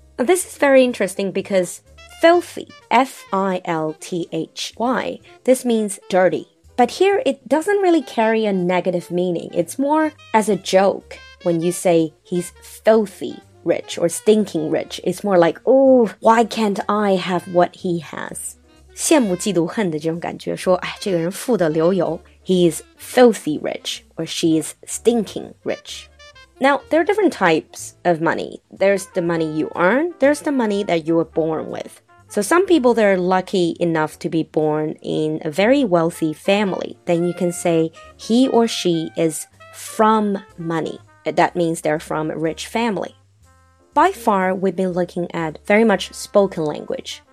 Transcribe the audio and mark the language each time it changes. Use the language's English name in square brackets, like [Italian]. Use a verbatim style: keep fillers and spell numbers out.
[English] Now, this is very interesting because filthy, F I L T H Y, this means dirty. But here it doesn't really carry a negative meaning. It's more as a joke when you say he's filthy rich or stinking rich. It's more like, oh, why can't I have what he has? [Chinese] 羡慕嫉妒恨的这种感觉说哎这个人富得流油 [English] He is filthy rich or she is stinking rich. Now, there are different types of money. There's the money you earn. There's the money that you were born with. So some people that are lucky enough to be born in a very wealthy family. Then you can say he or she is from money. That means they're from a rich family. By far, we've been looking at very much spoken language.